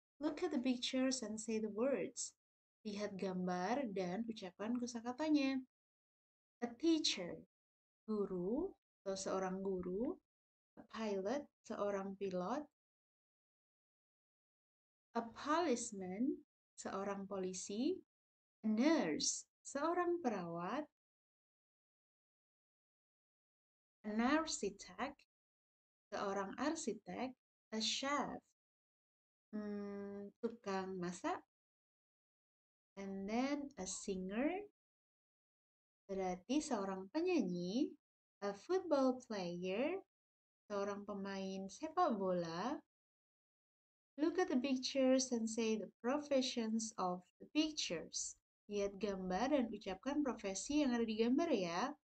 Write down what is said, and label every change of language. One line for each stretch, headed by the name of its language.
English: Look at the pictures and say the words.
Indonesian: Lihat gambar dan ucapkan kosakatanya.
English: A teacher,
Indonesian: guru, atau seorang guru,
English: a pilot,
Indonesian: seorang pilot,
English: a policeman,
Indonesian: seorang polisi,
English: a nurse,
Indonesian: seorang perawat,
English: an architect,
Indonesian: seorang arsitek,
English: a chef,
Indonesian: tukang masak,
English: and then a singer,
Indonesian: berarti seorang penyanyi,
English: a football player,
Indonesian: seorang pemain sepak bola.
English: Look at the pictures and say the professions of the pictures.
Indonesian: Lihat gambar dan ucapkan profesi yang ada di gambar ya.